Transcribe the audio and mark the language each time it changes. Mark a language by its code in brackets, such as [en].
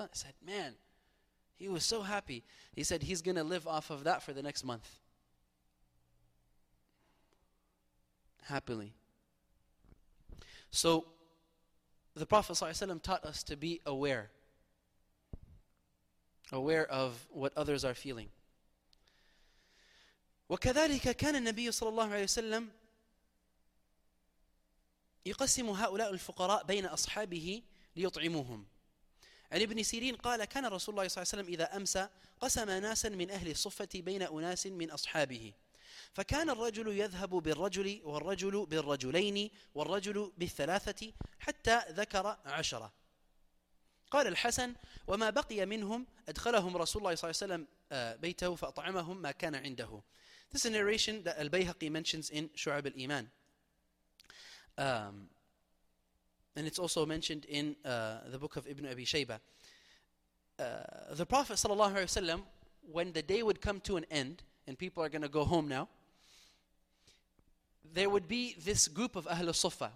[en] I said, man, he was so happy. He said, he's going to live off of that for the next month. Happily. So, the Prophet ﷺ taught us to be aware. Aware of what others are feeling. [ar] وَكَذَلِكَ كَانَ النَّبِيُّ صَلَى اللَّهُ عَلَيْهِ وَسَلَّمْ يقسم هؤلاء الفقراء بين أصحابه ليطعموهم. عن ابن سيرين قال كان رسول الله صلى الله عليه وسلم إذا أمسى قسم ناسا من أهل الصفة بين أناس من أصحابه. فكان الرجل يذهب بالرجل والرجل بالرجلين والرجل بالثلاثة حتى ذكر 10. قال الحسن وما بقي منهم أدخلهم رسول الله صلى الله عليه وسلم بيته فأطعمهم ما كان عنده. [en] This is a narration that Al-Bayhaqi mentions in شعب الإيمان. And it's also mentioned in the book of Ibn Abi Shayba. The Prophet sallallahu alaihi wasallam, when the day would come to an end and people are going to go home now, there would be this group of Ahlul Suffa.